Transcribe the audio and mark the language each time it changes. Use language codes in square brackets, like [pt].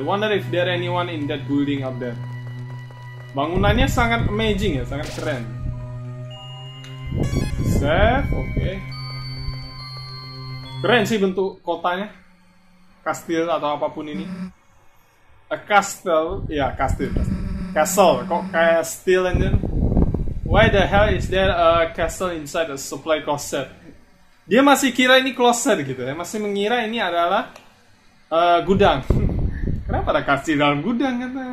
[en] Wonder if there anyone in that building up there. [id] Bangunannya sangat amazing ya, sangat keren. Set, oke. Keren sih bentuk kotanya. Kastil atau apapun ini. A castle. Ya, kastil. Castle. Kok kastil [en] and then? Why the hell is there a castle inside a supply closet? [id] Dia masih kira ini closet gitu ya, masih mengira ini adalah gudang. Kenapa ada kastil dalam gudang kan?